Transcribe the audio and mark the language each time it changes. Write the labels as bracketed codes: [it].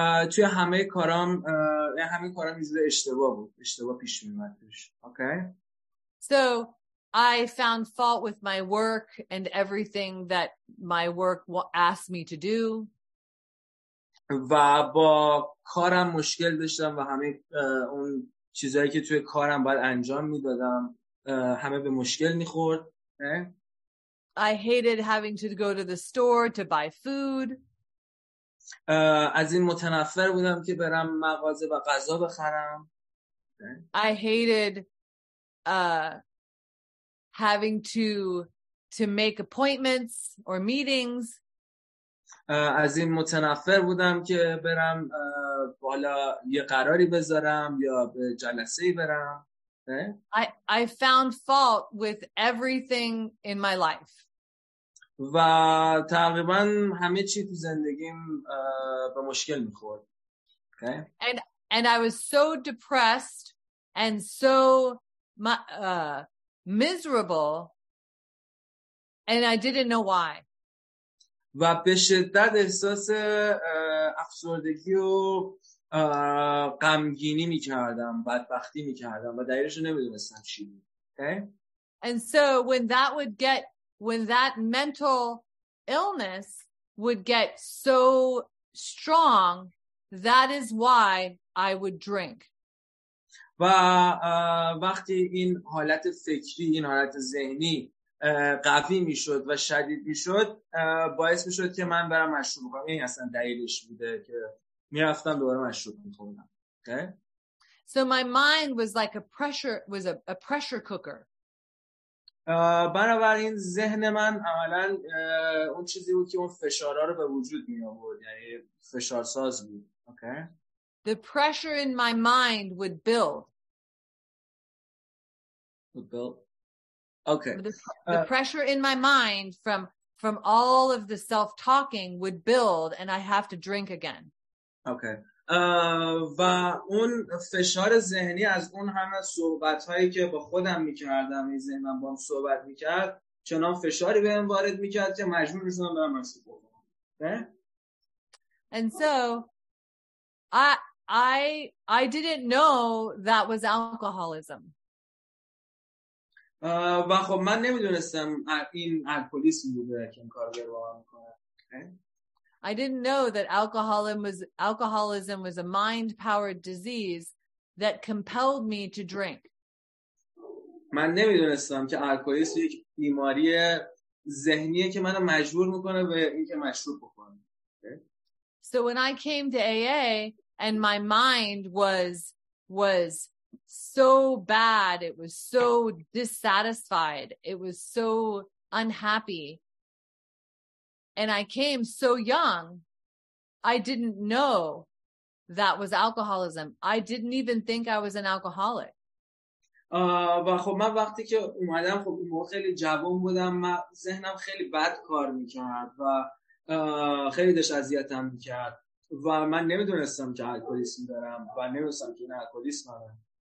[fa] توی همه کارام همه کارام اشتباه بود، اشتباه پیش می اومد. [en] Okay. So I found fault with my work and everything that my work asked me to do. [fa] و با کارم مشکل داشتم و همه اون چیزایی که توی کارم باید انجام میدادم همه به مشکل میخورد. [en] I hated having to go to the store to buy food. [fa] از این متنفر بودم که برم مغازه و غذا بخرم. [en] I hated having to make appointments or meetings. [fa] از این متنفر بودم که برم بالا یه قراری بذارم یا به جلسه برم. [en] I found fault with everything in my life. [fa] و تقریبا همه چی تو زندگیم به مشکل می‌خورد. [en] Okay. And I was so depressed and so miserable and I didn't know why. [fa] و به شدت احساس افسردگی و غمگینی می‌کردم، بدبختی می‌کردم و دلیلش رو نمی‌دونستم چی بود. [en] Okay? And so when that mental illness would get so strong, that is why I would drink. [fa] و وقتی این حالت فکری، این حالت ذهنی قوی میشد و شدید میشد، باعث میشد که من برم مشروب بخورم. این اصلا دلیلش بوده که میرفتم دوباره مشروب میخوردم. [en] Okay? So my mind was like a pressure, was a pressure cooker. [fa] بنابراین ذهن من عملا اون چیزی بود که اون فشارا رو به وجود می آورد، یعنی فشارساز بود. [en] Okay? The pressure in my mind would build. Okay. The pressure in my mind from all of the self-talking would build and I have to drink again. Okay. [fa] و اون فشار ذهنی از اون همه صحبت‌هایی که با خودم می‌کردم، این ذهنم با هم صحبت می‌کرد، چنان فشاری به من وارد می‌کرد که مجبور شدم برم مشروب بخورم. [en] Okay? And so I didn't know that was alcoholism. [fa] و خب من نمیدونستم این الکلیسم بوده که این کار رو داره میکنه. [en] Okay. I didn't know that alcoholism was a mind-powered disease that compelled me to drink. [fa] من نمیدونستم که الکلیسم یک بیماری ذهنیه که منو مجبور میکنه به اینکه مشروب بخورم. [en] Okay. So when I came to AA and my mind was so bad, it was so dissatisfied, it was so unhappy, and I came so young, I didn't know that was alcoholism. I didn't even think I was an alcoholic. [fa] و خب من وقتی که اومدم، خب اون موقع خیلی جوان بودم، ذهنم خیلی بد کار میکرد و خیلی داشت اذیتم میکرد و من نمیدونستم که الکلیسم دارم و نمیدونستم که این الکلیسم دارم.